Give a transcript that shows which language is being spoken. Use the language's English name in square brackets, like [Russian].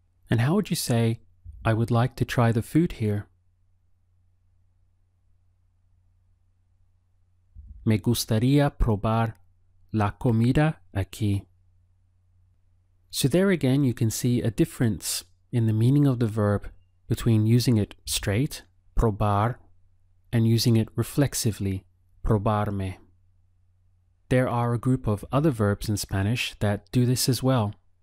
[English] And how would you say, I would like to try the food here? [Spanish] Me gustaría probar la comida aquí. [English] So there again, you can see a difference in the meaning of the verb between using it straight, probar, and using it reflexively, probarme. There are a group of other verbs in Spanish that do this as well.